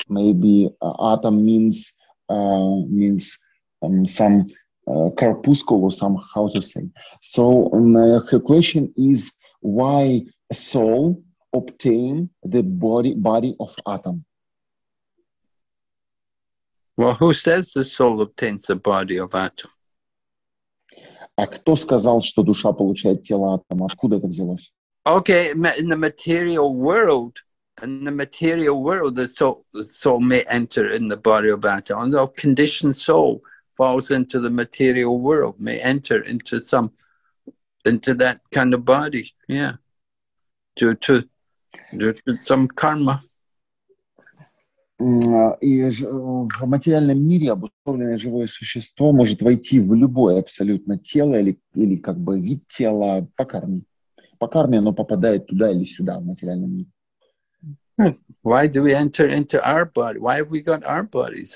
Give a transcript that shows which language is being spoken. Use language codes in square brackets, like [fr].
[en] Maybe atom means some corpuscle or some, how to say. So her question is why a soul obtain the body of atom? Well, who says the soul obtains the body of atom? [ru] А кто сказал, что душа получает тело атома? Откуда это взялось? [en] Okay, in the material world, the soul may enter in the body of atom. And the conditioned soul falls into the material world, may enter into that kind of body, yeah, due to some karma. [ru] И в материальном мире обусловленное живое существо может войти в любое абсолютно тело или как бы вид тела по карме. По карме оно попадает туда или сюда в материальном мире. [en] Why do we enter into our body? Why have we got our bodies?